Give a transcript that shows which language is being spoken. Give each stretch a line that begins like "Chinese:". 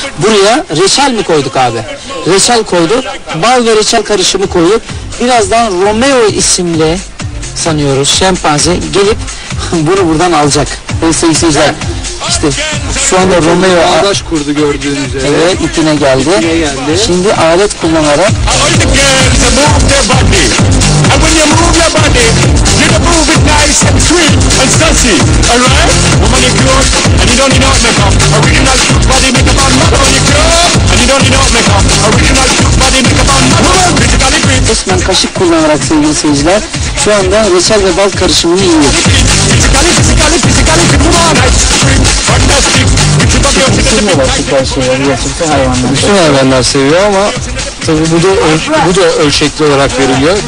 Turkish: Buraya reçel mi koyduk abi? Reçel koyduk, bal ve reçel karışımı koyup birazdan Romeo isimli sanıyoruz şempanze gelip bunu buradan alacak. Sevgili seyirciler, işte şu anda Romeo ağaç kurdu gördüğünüz üzere. Evet, ipine geldi. Şimdi alet kullanarak...
English: And when you move your body, you can move it nice and sweet and sassy, alright? Woman, you cure, and you don't need no makeup. Original body makeup on my body, you cure, and you don't need no makeup. Original body makeup on my body, physically fit.
Turkish: Resmen kaşık kullanarak sevgili seyirciler, şu anda reçel ve bal karışımını yiyor.
English: Physically fit, woman, ice cream, fantastic.
Turkish: Bütün hayvanlar seviyor ama... Tabii bu da ölçekli olarak veriliyor.